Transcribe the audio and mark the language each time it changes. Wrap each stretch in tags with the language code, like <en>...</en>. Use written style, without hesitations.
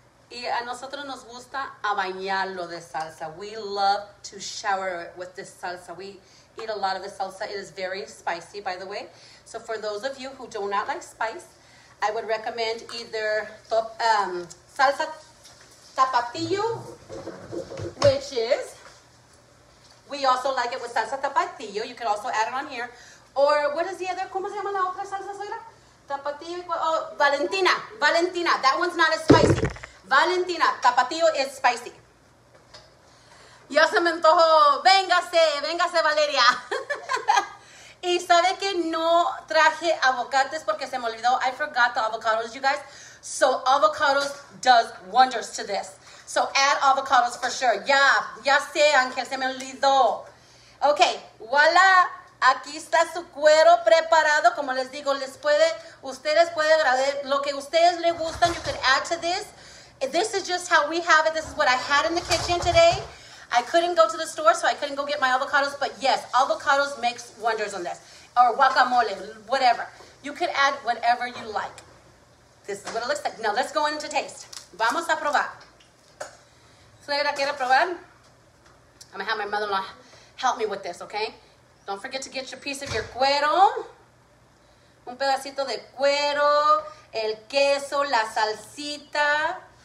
<es>Y a nosotros nos gusta a bañarlo de salsa.</es> <en>We love to shower it with this salsa. We eat a lot of the salsa. It is very spicy, by the way. So for those of you who do not like spice, I would recommend either salsa tapatillo, which is, we also like it with salsa tapatillo. You can also add it on here. Or what is the other,</en> <es>¿cómo se llama la otra salsa, suegra?</es> <en>Tapatillo, oh, Valentina. That one's not as spicy. Valentina, tapatillo is spicy.</en> <es>Ya se me antojó. Véngase, Valeria. Y sabe que no traje aguacates porque se me olvidó.</es> <en>I forgot the avocados, you guys. So avocados does wonders to this. So add avocados for sure.</en> <es>Ya sé, Angel, se me olvidó.</es> <en>Okay, voila,</en> <es>Aquí está su cuero preparado. Como les digo, les puede, ustedes pueden agradecer lo que ustedes le gustan.</es> <en>You can add to this. This is just how we have it. This is what I had in the kitchen today. I couldn't go to the store, so I couldn't go get my avocados. But yes, avocados makes wonders on this. Or guacamole, whatever. You could add whatever you like. This is what it looks like. Now let's go into taste.</en> <es>Vamos a probar. ¿Suegra quiere probar?</es> <en>I'm gonna have my mother-in-law help me with this, okay? Don't forget to get your piece of your cuero.</en> <es>Un pedacito de cuero, el queso, la salsita.</es>